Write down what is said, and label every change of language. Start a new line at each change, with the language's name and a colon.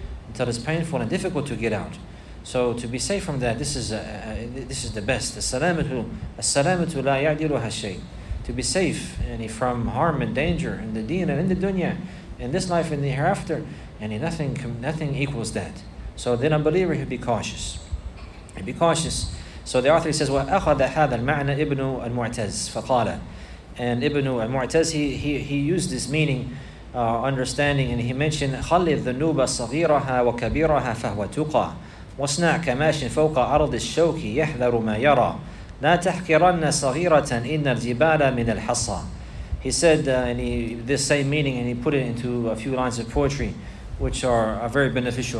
English: Until it's painful and difficult to get out. So to be safe from that, this is the best.
Arabic: As-salamatu la ya'diluha shay.
English: To be safe from harm and danger in the deen and in the dunya, in this life and the hereafter, nothing equals that. So then a believer, he'll be cautious. He'll be cautious. So the author says,
Arabic: وَأَخَذَ هَذَا الْمَعْنَى إِبْنُ الْمُعْتَزِ فَقَالَ.
English: And Ibn al-Mu'taz, he used this meaning, understanding, and he mentioned,
Arabic: خَلِّ الذُّنُوبَ صَغِيرَهَا وَكَبِيرَهَا فَهْوَ تُقَى وَصْنَعْ كَمَاشٍ فَوْقَ أَرْضِ الشَّوْكِ يَحْذَرُ مَا يَرَى لَا تَحْكِرَنَّ صَغِيرَةً إِنَّ الْجِبَالَ مِنَ الْحَصَى.
English: He said this same meaning, and he put it into a few lines of poetry, which are very beneficial.